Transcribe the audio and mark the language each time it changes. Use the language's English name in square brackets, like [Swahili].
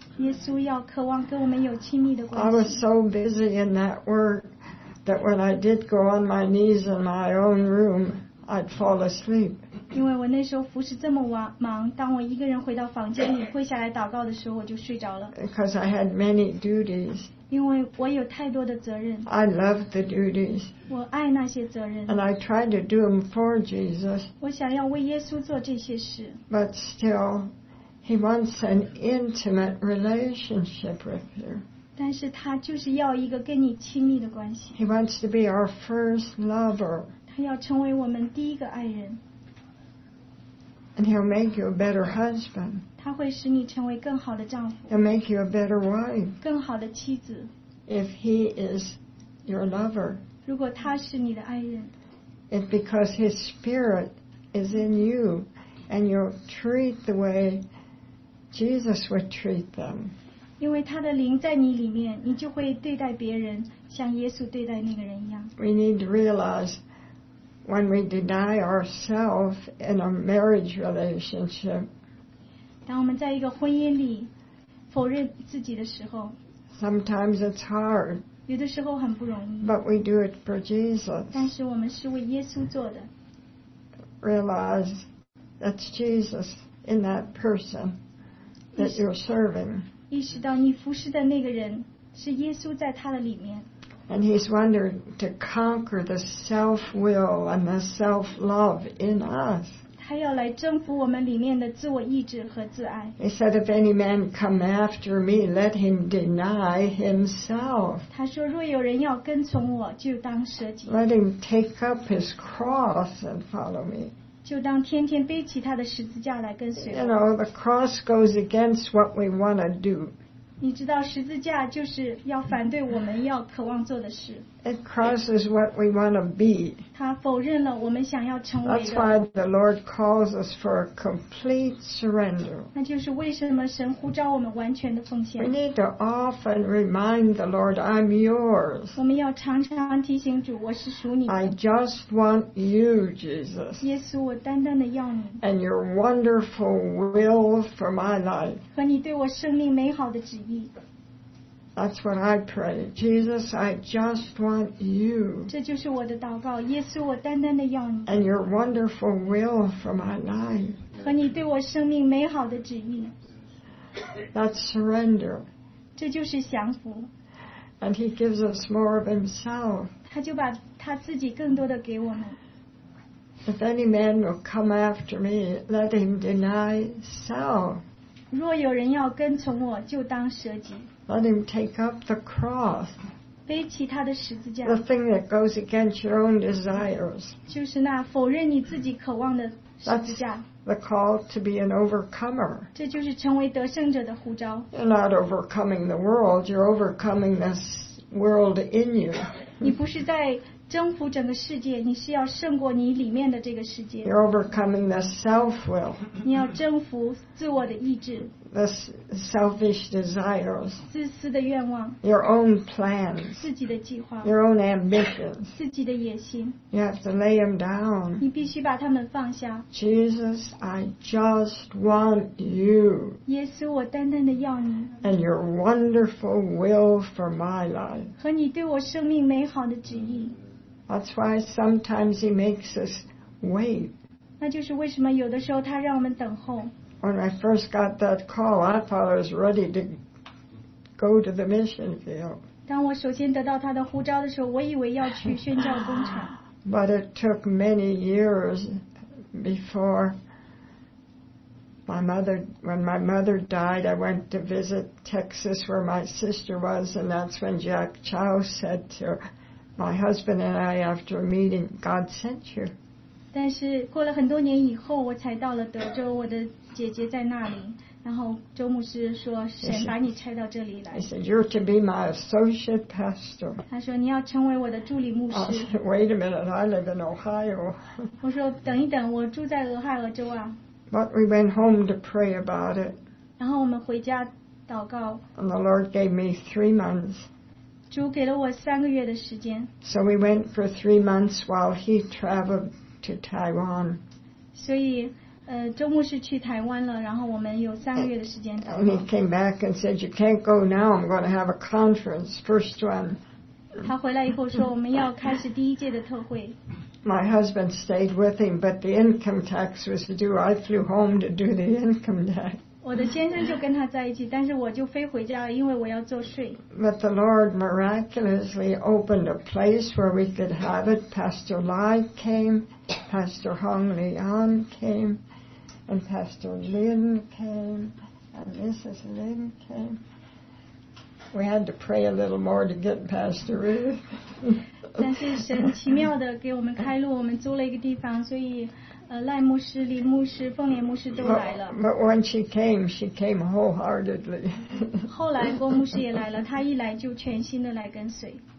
[English] I was so busy in that work that when I did go on my knees in my own room, I'd fall asleep. [Chinese] 因为我那时候服侍这么忙, 当我一个人回到房间里, 跪下来祷告的时候, 我就睡着了。 [English] Because I had many duties. [Chinese] 因为我有太多的责任。 [English] I loved the duties. [Chinese] 我爱那些责任。 [English] And I tried to do them for Jesus. [Chinese] 我想要为耶稣做这些事。 [English] But still, he wants an intimate relationship with you. [Chinese] 但是他就是要一个跟你亲密的关系。 [English] He wants to be our first lover. [Chinese] 他要成为我们第一个爱人。 [English] And he'll make you a better husband. [Chinese] 他会使你成为更好的丈夫。 [English] He'll make you a better wife. [Chinese] 更好的妻子。 [English] If he is your lover. [Chinese] 如果他是你的爱人。 [English] It's because his spirit is in you, and you'll treat the way Jesus would treat them. [Chinese] 因为他的灵在你里面，你就会对待别人像耶稣对待那个人一样。 [English] We need to realize when we deny ourselves in a marriage relationship. [Chinese] 当我们在一个婚姻里否认自己的时候 [English] ，Sometimes it's hard. [Chinese] 有的时候很不容易。 [English] But we do it for Jesus. [Chinese] 但是我们是为耶稣做的。 [English] Realize that's Jesus in that person that you're serving. [Chinese] 意识到你服侍的那个人是耶稣在他的里面。 [English] And he's wanting to conquer the self-will and the self-love in us. [Chinese] 他要来征服我们里面的自我意志和自爱。 [English] He said, "If any man come after me, let him deny himself." [Chinese] 他说，若有人要跟从我，就当舍己。 [English] Let him take up his cross and follow me. [Chinese] 就当天天背起他的十字架来跟随我。 [English] You know, the cross goes against what we want to do. [Chinese] 你知道十字架就是要反对我们要渴望做的事。 [English] It crosses what we want to be. [Chinese] 他否认了我们想要成为的。 [English] That's why the Lord calls us for a complete surrender. [Chinese] 那就是为什么神呼召我们完全的奉献。 [English] We need to often remind the Lord, I'm yours. [Chinese] 我们要常常提醒主，我是属你的。 [English] I just want you, Jesus. [Chinese] 耶稣，我单单的要你。 [English] And your wonderful will for my life. [Chinese] 和你对我生命美好的旨意。 [English] That's what I pray. Jesus, I just want you. [Chinese] 这就是我的祷告。耶稣，我单单的要你。 [English] And your wonderful will for my life. [Chinese] 和你对我生命美好的旨意。 [English] That's surrender. [Chinese] 这就是降服。 [English] And he gives us more of himself. [Chinese] 他就把他自己更多的给我们。 [English] If any man will come after me, let him deny self. [Chinese] 若有人要跟从我，就当舍己。 [English] Let him take up the cross. [Chinese] 背起他的十字架。 [English] The thing that goes against your own desires. [Chinese] 就是那否认你自己渴望的十字架。 [English] That's the call to be an overcomer. [Chinese] 这就是成为得胜者的呼召。 [English] You're not overcoming the world. You're overcoming this world in you. [Chinese] 你不是在征服整个世界，你是要胜过你里面的这个世界。 [English] You're overcoming the self-will. [Chinese] 你要征服自我的意志。 [English] The selfish desires, [Chinese] 自私的愿望 [English] your own plans, [Chinese] 自己的计划 [English] your own ambitions, [Chinese] 自己的野心 [English] you have to lay them down. [Chinese] 你必须把它们放下 [English] Jesus, I just want you. [Chinese] 耶稣，我单单的要你 [English] and your wonderful will for my life. [Chinese] 和你对我生命美好的旨意 [English] That's why sometimes he makes us wait. [Chinese] 那就是为什么有的时候他让我们等候。 [English] When I first got that call, I thought I was ready to go to the mission field. [Chinese] 当我首先得到他的呼召的时候，我以为要去宣教工厂。 [English] But it took many years before my mother. When my mother died, I went to visit Texas where my sister was, and that's when Jack Chow said to my husband and I after a meeting, "God sent you." [Chinese] 但是过了很多年以后，我才到了德州，我的。姐姐在那里，然后周牧师说：“神把你拆到这里来。” [English] He said, "You're to be my associate pastor." [Chinese] 他说：“你要成为我的助理牧师。” [English] I said, "Wait a minute, I live in Ohio." [Chinese] 我说：“等一等，我住在俄亥俄州啊。” [English] But we went home to pray about it. [Chinese] 然后我们回家祷告。 [English] And the Lord gave me 3 months. [Chinese] 主给了我三个月的时间。 [English] So we went for 3 months while he traveled to Taiwan. [Chinese] 所以。周牧师去台湾了，然后我们有三个月的时间祷告。 [English] And he came back and said, "You can't go now. I'm going to have a conference, first one." [Chinese] 他回来以后说，我们要开始第一届的特会。 [English] My husband stayed with him, but the income tax was due. I flew home to do the income tax. [Chinese] 我的先生就跟他在一起，但是我就飞回家，因为我要做税。 [English] But the Lord miraculously opened a place where we could have it. Pastor Lai came, Pastor Hong Leon came. And Pastor Lin came, and Mrs. Lin came. We had to pray a little more to get Pastor Ruth. [Chinese] 但是神奇妙的给我们开路，我们租了一个地方，所以赖牧师、李牧师、凤莲牧师都来了。 [English] But when she came wholeheartedly. [Chinese] 后来郭牧师也来了，他一来就全心的来跟随。